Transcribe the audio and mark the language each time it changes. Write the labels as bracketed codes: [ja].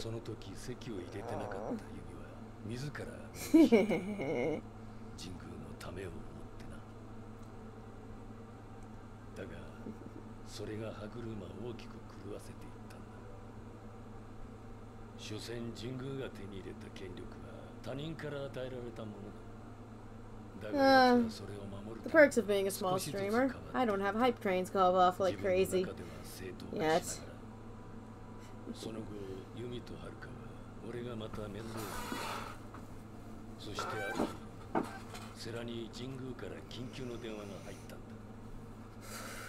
[ja] その時席を入れてなかった指は自ら神宮のためを思ってな。だがそれが歯車を大きく狂わせていったんだ。所詮神宮が手に入れた権力は他人から与えられたもの。 [en] The perks of being a small streamer. I don't have hype trains go off like crazy. Yet. [ja] その後、ユミとハルカは俺がまた面倒を見た。そしてある日、セラに神宮から緊急の電話が入ったんだ。